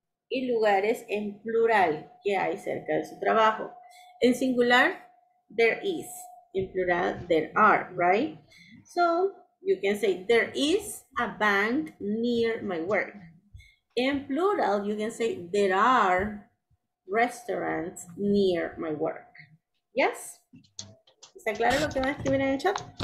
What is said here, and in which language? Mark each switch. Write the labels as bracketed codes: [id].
[es] Y lugares en plural que hay cerca de su trabajo. En singular, [en] there is. [es] En plural, [en] there are, right? So, you can say, there is a bank near my work. In plural, you can say, there are restaurants near my work. Yes? [es] ¿Está claro lo que van a escribir en el chat?